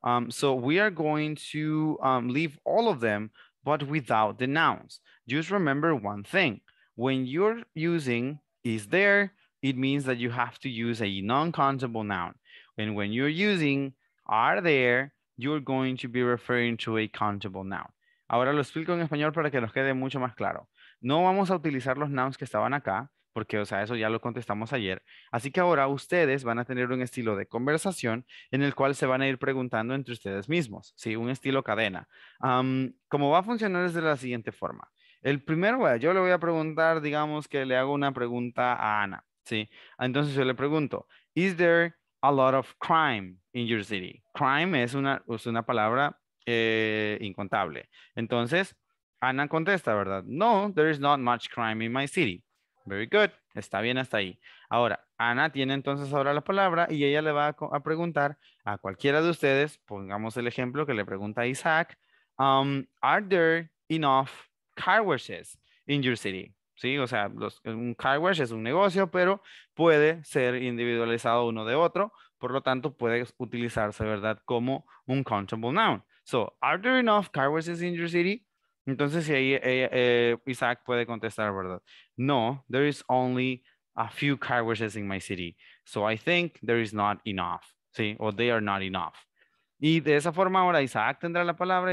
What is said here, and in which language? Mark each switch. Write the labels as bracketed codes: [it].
[en] So we are going to leave all of them, but without the nouns. Just remember one thing. When you're using is there, it means that you have to use a non-countable noun. And when you're using are there, you're going to be referring to a countable noun. [es] Ahora lo explico en español para que nos quede mucho más claro. No vamos a utilizar los nouns que estaban acá, porque, o sea, eso ya lo contestamos ayer. Así que ahora ustedes van a tener un estilo de conversación en el cual se van a ir preguntando entre ustedes mismos, ¿sí? Un estilo cadena. ¿Cómo va a funcionar? Es de la siguiente forma. El primero, bueno, yo le voy a preguntar, digamos que le hago una pregunta a Ana, ¿sí? Entonces yo le pregunto, [en] ¿Is there a lot of crime in your city? [es] Crime es una palabra incontable. Entonces, Ana contesta, ¿verdad? [en] No, there is not much crime in my city. Very good. [es] Está bien hasta ahí. Ahora, Ana tiene entonces ahora la palabra y ella le va a preguntar a cualquiera de ustedes, pongamos el ejemplo que le pregunta a Isaac, [en] are there enough car washes in your city? [es] Sí, o sea, un car wash es un negocio, pero puede ser individualizado uno de otro. Por lo tanto, puede utilizarse, ¿verdad?, como un countable noun. [en] So, are there enough car washes in your city? [es] Entonces, ahí Isaac puede contestar, ¿verdad? [en] No, there is only a few car washes in my city. So I think there is not enough, ¿sí? Or they are not enough. [es] Y de esa forma ahora Isaac tendrá la palabra.